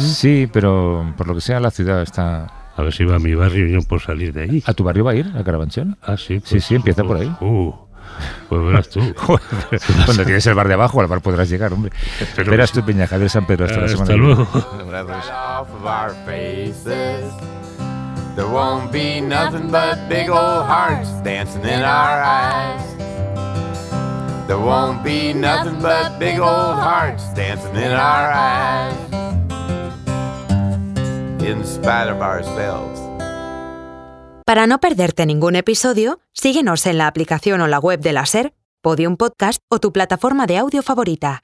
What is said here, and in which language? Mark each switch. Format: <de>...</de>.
<es>Sí, pero por lo que sea la ciudad está... A ver si va a mi barrio y yo por salir de allí. ¿A tu barrio va a ir, a Carabanchel? Ah, sí. Pues, sí, empieza por ahí. Pues verás tú. Cuando tienes el bar de abajo, al bar podrás llegar, hombre. Pero verás tú, Peña Javier San Pedro, hasta la semana. Hasta luego. Gracias.</es> <en>There won't be nothing but big old hearts dancing in our eyes. There won't be nothing but big old hearts dancing in our eyes. In spite of ourselves.</en> <es>Para no perderte ningún episodio, síguenos en la aplicación o la web de la SER, Podium Podcast o tu plataforma de audio favorita.</es>